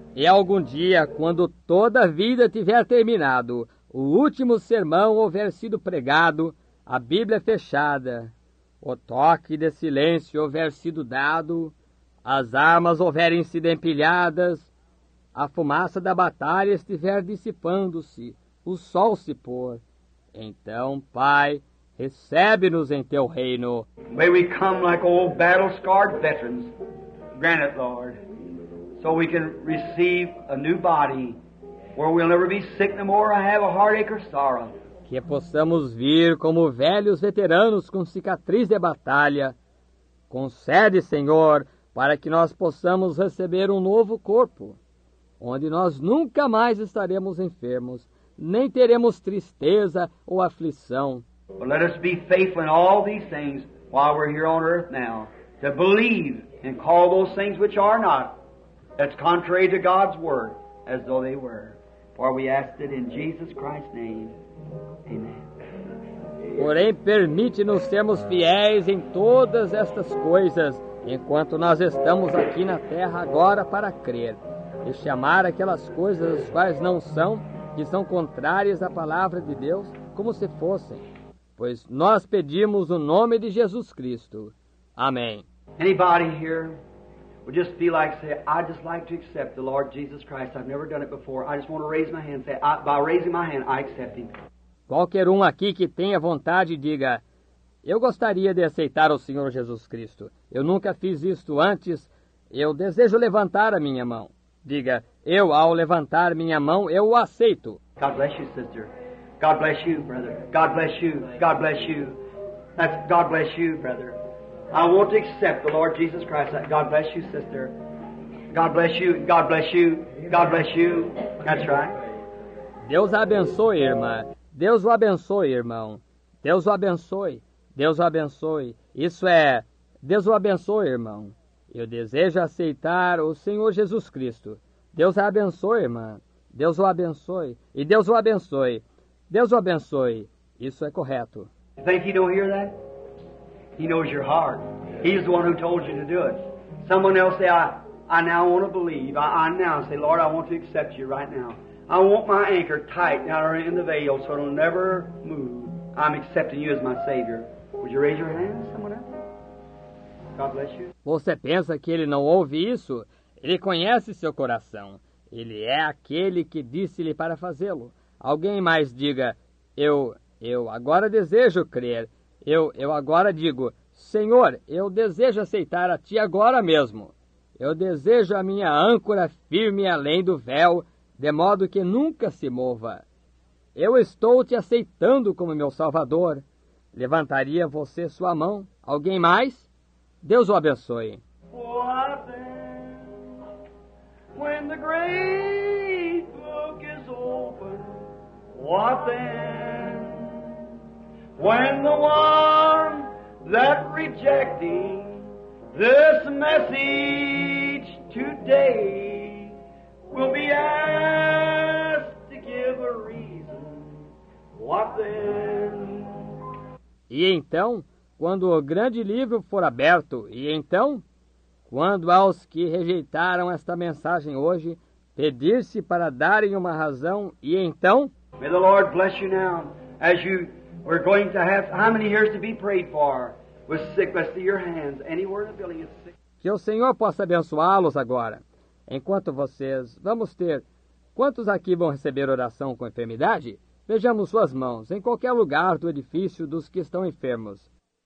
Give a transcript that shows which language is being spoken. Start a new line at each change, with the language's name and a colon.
Portuguese: E algum dia, quando toda a vida tiver terminado, o último sermão houver sido pregado, a Bíblia fechada, o toque de silêncio houver sido dado, as armas houverem sido empilhadas, a fumaça da batalha estiver dissipando-se, o sol se pôr, então, Pai, recebe-nos em teu reino.
English: May we come like old battle-scarred veterans. Grant it, Lord, so we can receive a new body where we'll never be sick no more or have a heartache or sorrow.
Portuguese: Que possamos vir como velhos veteranos com cicatriz de batalha. Concede, Senhor, para que nós possamos receber um novo corpo, onde nós nunca mais estaremos enfermos, nem teremos tristeza ou aflição.
English: But let us be faithful in all these things while we're here on earth now, to believe and call those things which are not, that's contrary to God's word, as though they were. For we ask it in Jesus Christ's name. Amen.
Portuguese: Porém, permite-nos sermos fiéis em todas estas coisas, enquanto nós estamos aqui na terra agora para crer, e chamar aquelas coisas as quais não são, que são contrárias à palavra de Deus, como se fossem. Pois nós pedimos o nome de Jesus Cristo. Amém.
English: Anybody here would just feel like say, I'd just like to accept the Lord Jesus Christ. I've never done it before. I just want to raise my hand. Say, by raising my hand, I accept him.
Portuguese: Qualquer aqui que tenha vontade, diga, eu gostaria de aceitar o Senhor Jesus Cristo. Eu nunca fiz isto antes. Eu desejo levantar a minha mão. Diga, eu, ao levantar minha mão, eu o aceito.
English: God bless you, sister. God bless you, brother. God bless you. God bless you. That's God bless you, brother. I want to accept the Lord Jesus Christ. God bless you, sister. God bless you. God bless you. God bless you. That's right.
Portuguese: Deus abençoe, irmã. Deus o abençoe, irmão. Deus o abençoe. Deus o abençoe. Isso é, Deus o abençoe, irmão. Eu desejo aceitar o Senhor Jesus Cristo. Deus o abençoe, irmã. Deus o abençoe. E Deus o abençoe. Deus o abençoe. Isso é correto.
English: Thank you, don't hear that? He knows your heart. He's the one who told you to do it. Someone else say, I now want to believe. I now say, Lord, I want to accept you right now. I want my anchor tight now in the veil so it'll never move. I'm accepting you as my Savior. Would you raise your hand, someone else? God bless you.
Portuguese: Você pensa que ele não ouve isso? Ele conhece seu coração. Ele é aquele que disse-lhe para fazê-lo. Alguém mais diga, eu agora desejo crer. Eu agora digo, Senhor, eu desejo aceitar a Ti agora mesmo. Eu desejo a minha âncora firme além do véu, de modo que nunca se mova. Eu estou Te aceitando como meu Salvador. Levantaria você sua mão. Alguém mais? Deus o abençoe.
English: What then, when the great book is open, what then? When the one that rejecting this message today will be asked to give a reason, what then?
Portuguese: E então, quando o grande livro for aberto, e então, quando aos que rejeitaram esta mensagem hoje, pedir-se para darem uma razão, e então...
English: May the Lord bless you now, as you are going to have... How many here is to be prayed for? With sickness to your hands, anywhere in the building is sick.
Portuguese: Que o Senhor possa abençoá-los agora. Enquanto vocês, vamos ter... Quantos aqui vão receber oração com enfermidade? Vejamos suas mãos, em qualquer lugar do edifício dos que estão enfermos.